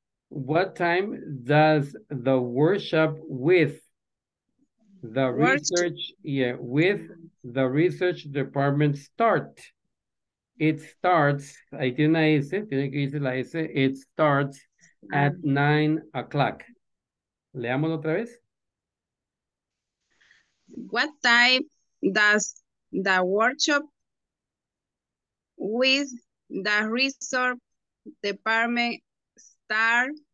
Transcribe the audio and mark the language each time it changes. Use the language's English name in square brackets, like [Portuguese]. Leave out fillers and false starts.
[English] What time does the workshop with the research? Yeah, with the research department start. It starts, [Spanish] ahí tiene una S, tiene que irse la S, [English] it starts at 9 o'clock. [Spanish] Leámoslo otra vez. [English] What time does the workshop with the resource department start?